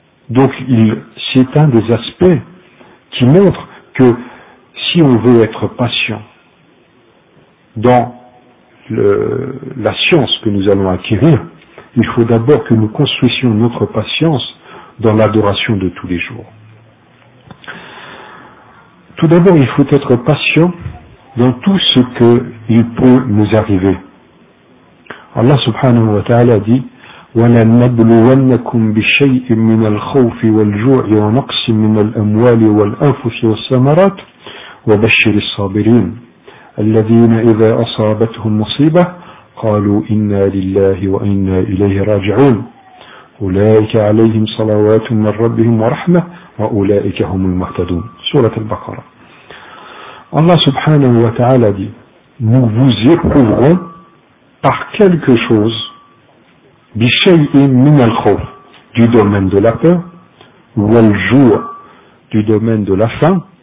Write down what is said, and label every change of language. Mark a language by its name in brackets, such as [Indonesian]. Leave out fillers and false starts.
[French] Donc c'est un des aspects qui montre que si on veut être patient dans la science que nous allons acquérir, il faut d'abord que nous construisions notre patience dans l'adoration de tous les jours. Tout d'abord, il faut être patient dans tout ce que il peut nous arriver. Allah subhanahu wa ta'ala dit [Arabic] وَلَنَبْلُوَنَّكُمْ بِشَيْءٍ مِّنَ الْخَوْفِ وَالْجُوعِ وَنَقْصٍ مِّنَ الْأَمْوَالِ وَالْأَنفُسِ وَالثَّمَرَاتِ وَبَشِّرِ الصَّابِرِينَ الَّذِينَ إِذَا أَصَابَتْهُمْ مُصِيبَةٌ قَالُوا إِنَّا لِلَّهِ وَإِنَّا إِلَيْهِ رَاجِعُونَ أولئك عليهم صلوات من ربهم ورحمة وأولئك هم المهتدون. سورة البقرة. [French] الله سبحانه وتعالى dit: Nous vous éprouverons par quelque chose, [Arabic] بشيء من الخوف, [French] du domaine de la peur, [Arabic] والجوع, [French] du domaine de la faim,